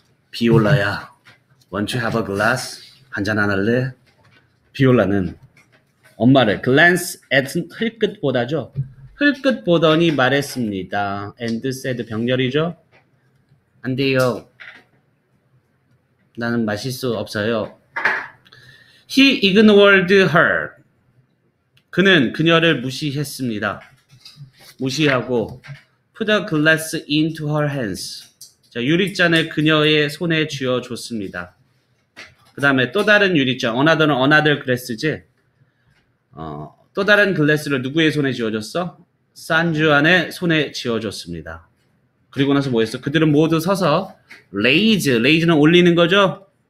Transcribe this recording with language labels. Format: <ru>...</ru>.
<ko>비올라야,</ko> <en>want you have a glass?</en> <ko>한잔 안 할래? 비올라는 엄마를</ko> <en>glance at</en> <ko>흘끗 보다죠. 흘끗 보더니 말했습니다.</ko> <en>And said</en> <ko>병렬이죠. 안 돼요. 나는 마실 수 없어요.</ko> <en>He ignored her.</en> <ko>그는 그녀를 무시했습니다. 무시하고</ko> <en>put a glass into her hands.</en> <ko>자, 유리잔을 그녀의 손에 쥐어줬습니다. 그 다음에 또 다른 유리잔,</ko> <en>another glass</en> <ko>지. 또 다른 글래스를 누구의 손에 쥐어줬어? 산주안의 손에 쥐어줬습니다. 그리고 나서 뭐 했어? 그들은 모두 서서 raise는 올리는 거죠?</ko>